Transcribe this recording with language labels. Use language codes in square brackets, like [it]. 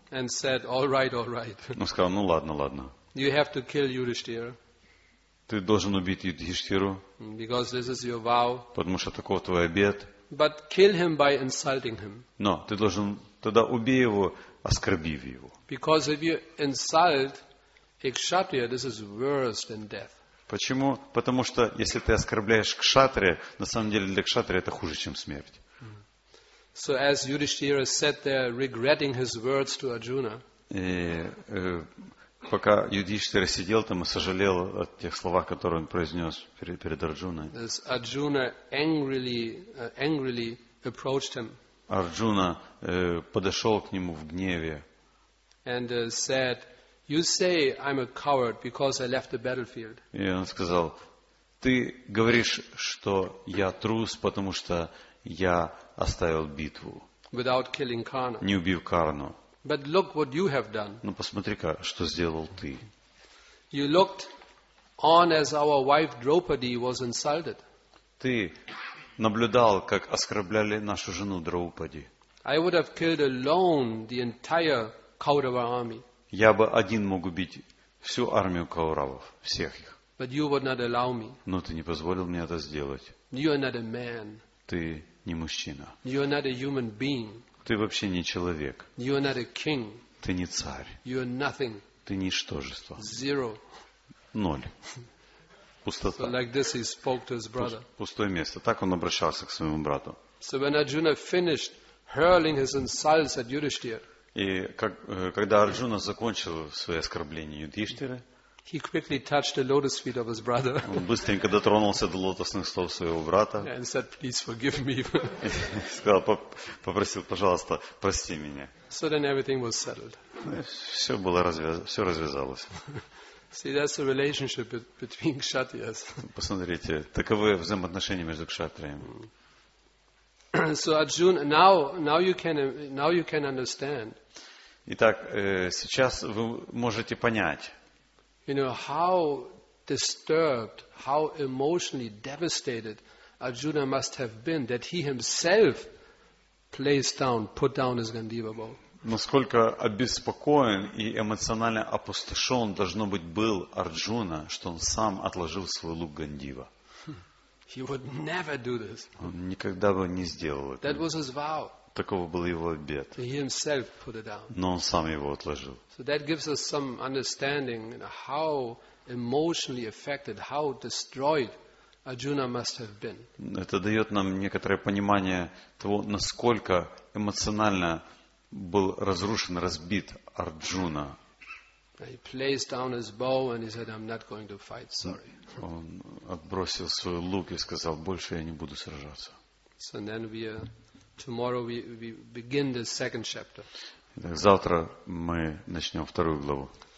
[en] And said, "All right, all right." [ru] Он сказал: "Ну ладно, ладно." [en] You have to kill Yudhishthira. [ru] Ты должен убить Юдхиштхиру. [en] Because this is your vow. [ru] Потому что таков твой обет. [en] But kill him by insulting him. [ru] Но ты должен тогда убей его, оскорбив его. [en] Because if you insult a kshatriya, this is worse than death. [ru] Почему? Потому что если ты оскорбляешь кшатрия, на самом деле для кшатрия это хуже, чем смерть. [en] So as Yudhishthira sat there regretting his words to Arjuna. [ru] И пока Юдхиштхира сидел там и сожалел о тех словах, которые он произнес перед Арджуной. [en] As Arjuna angrily approached him. [ru] Арджуна подошел к нему в гневе. [en] And said, "You say I'm a coward because I left the battlefield." [ru] И он сказал: "Ты говоришь, что я трус, потому что я оставил битву." [en] Without killing Karna. [ru] Не убив Карну. [en] But look what you have done. [ru] Ну посмотри-ка, что сделал ты. [en] You looked on as our wife Draupadi was insulted. [ru] Ты наблюдал, как оскорбляли нашу жену Драупади. [en] I would have killed alone the entire Kaurava army. [ru] Я бы один мог убить всю армию Кауравов, всех их. [en] But you would not allow me. [ru] Но ты не позволил мне это сделать. [en] You are not a man. [ru] Ты не мужчина. [en] You are not a human being. [ru] Ты вообще не человек. [en] You are not a king. [ru] Ты не царь. [en] You are nothing. [ru] Ты ничтожество. [en] Zero. [ru] Ноль. Пустота. [en] So like this he spoke to his brother. [ru] Пустое место. Так он обращался к своему брату. [en] So when Arjuna finished hurling his insults at Yudhishthira. [ru] И когда Арджуна закончил свое оскорбление Юдхиштхиры, он быстренько дотронулся до лотосных стоп своего брата [en] and said, "Please forgive me." [ru] И сказал, попросил, пожалуйста, прости меня. [en] So then everything was settled. [ru] Все было все развязалось. [en] See, that's the relationship between kshatriyas. [ru] Посмотрите, таковы взаимоотношения между кшатриями. [en] So Arjuna, now you can understand. [ru] Итак, сейчас вы можете понять. [en] You know how disturbed, how emotionally devastated Arjuna must have been that he himself put down his Gandiva bowl. [ru] Насколько обеспокоен и эмоционально опустошен должно быть был Арджуна, что он сам отложил свой лук Гандива. [en] He would never do this. [ru] Он никогда бы не сделал это. [en] That was his vow. [ru] Такого был его обет. [en] He himself put it down. [ru] Но он сам его отложил. [en] So that gives us some understanding how emotionally affected, how destroyed Arjuna must have been. [ru] Это дает нам некоторое понимание того, насколько эмоционально был разрушен, разбит Арджуна. [en] He placed down his bow and he said, "I'm not going to fight. Sorry." [ru] Он отбросил свой лук и сказал: "Больше я не буду сражаться." [en] So then tomorrow we begin the second chapter. [ru] Итак, завтра мы начнем вторую главу.